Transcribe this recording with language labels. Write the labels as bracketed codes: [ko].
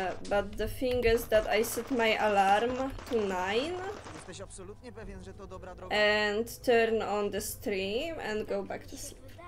[en] But the thing is that I set my alarm to 9. [pl] Jesteś absolutnie pewien, że to dobra droga? [en] And turn on the stream and go back to sleep.